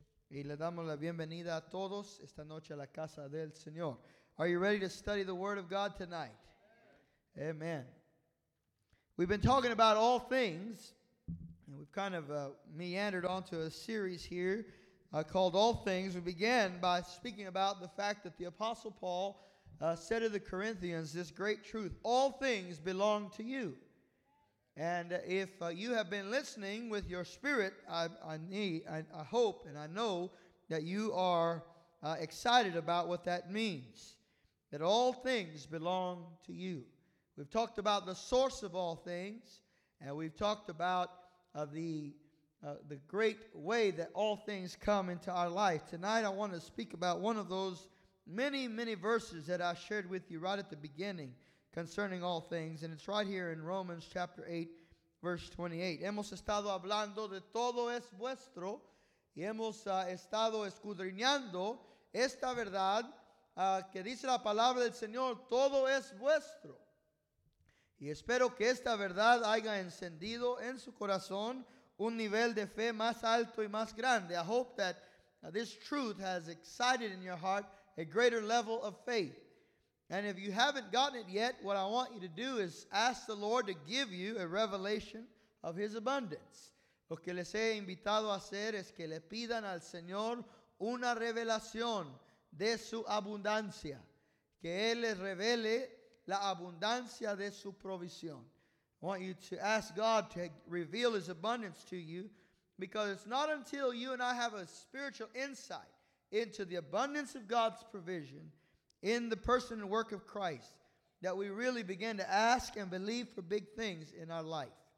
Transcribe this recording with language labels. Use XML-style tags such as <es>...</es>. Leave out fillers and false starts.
<es>Y le damos la bienvenida a todos esta noche a la casa del Señor.</es> <en>Are you ready to study the Word of God tonight? Amen. Amen. We've been talking about all things, and we've kind of meandered onto a series here called All Things. We began by speaking about the fact that the Apostle Paul said to the Corinthians this great truth: all things belong to you. And if you have been listening with your spirit, I hope and I know that you are excited about what that means, that all things belong to you. We've talked about the source of all things, and we've talked about the great way that all things come into our life. Tonight I want to speak about one of those many, many verses that I shared with you right at the beginning concerning all things, and it's right here in Romans chapter 8, verse 28.</en> <es>Hemos estado hablando de todo es vuestro, y hemos estado escudriñando esta verdad que dice la palabra del Señor, todo es vuestro. Y espero que esta verdad haya encendido en su corazón un nivel de fe más alto y más grande.</es> <en>I hope that this truth has excited in your heart a greater level of faith. And if you haven't gotten it yet, what I want you to do is ask the Lord to give you a revelation of His abundance.</en> <es>Lo que les he invitado a hacer es que le pidan al Señor una revelación de su abundancia. Que Él les revele la abundancia de su provisión.</es> <en>I want you to ask God to reveal His abundance to you, because it's not until you and I have a spiritual insight into the abundance of God's provision in the person and work of Christ that we really begin to ask and believe for big things in our life.</en>